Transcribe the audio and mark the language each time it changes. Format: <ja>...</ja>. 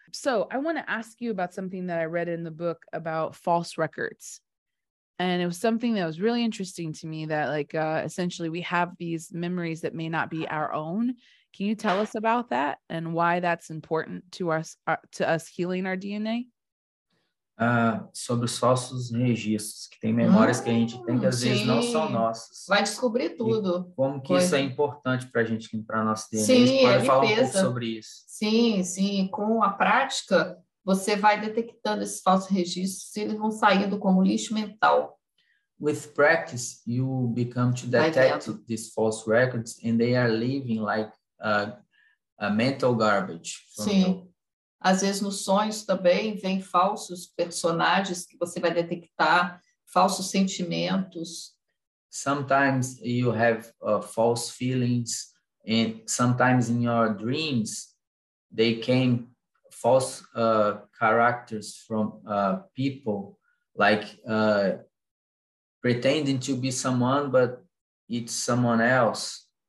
<en>So I want to ask you about something that I read in the book about false records. And it was something that was really interesting to me that essentially we have these memories that may not be our own. Can you tell us about that and why that's important to us healing our DNA?</en> <pt>Sobre os falsos registros, que tem memórias que a gente tem que às sim. vezes não são nossas. Vai descobrir tudo. E como que isso é importante para a gente limpar a nossa DNA? Sim, pode limpeza. Falar um pouco sobre isso. Sim. Com a prática, você vai detectando esses falsos registros e eles vão saindo como lixo mental.</pt> <en>With practice, you become to detect these false records and they are leaving like a mental garbage.</en> <pt>Sim. Às vezes nos sonhos também vem falsos personagens que você vai detectar, falsos sentimentos.</pt> <en>Sometimes you have false feelings and sometimes in your dreams they came false characters from people like pretending to be someone but it's someone else.</en>